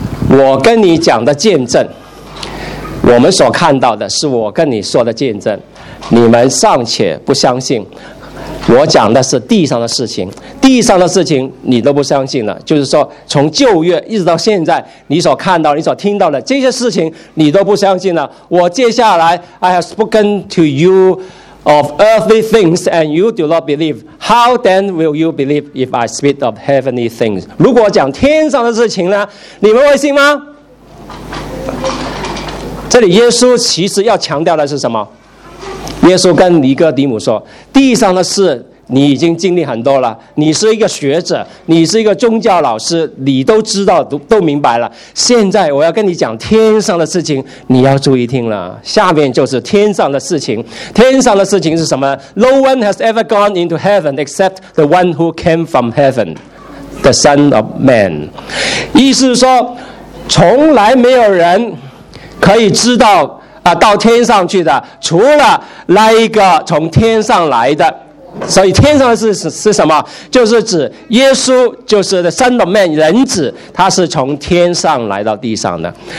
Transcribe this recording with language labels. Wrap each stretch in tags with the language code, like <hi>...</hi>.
<zh>我跟你讲的见证，我们所看到的是我跟你说的见证，你们尚且不相信，我讲的是地上的事情，地上的事情你都不相信了，就是说从旧约一直到现在，你所看到你所听到的这些事情你都不相信了。我接下来</zh> <en>I have spoken to you of earthly things and you do not believe, how then will you believe if I speak of heavenly things?</en> <zh>如果讲天上的事情呢，你们会信吗？这里耶稣其实要强调的是什么？耶稣跟尼哥底母说，地上的事你已经经历很多了，你是一个学者，你是一个宗教老师，你都知道 都明白了，现在我要跟你讲天上的事情，你要注意听了。下面就是天上的事情，天上的事情是什么？</zh> <en>No one has ever gone into heaven except the one who came from heaven, the Son of Man.</en> <zh>意思是说从来没有人可以知道到天上去的，除了那一个从天上来的。所以天上的事 是什么？就是指耶稣，就是 the Son of Man, 人子，他是从天上来到地上的。</zh>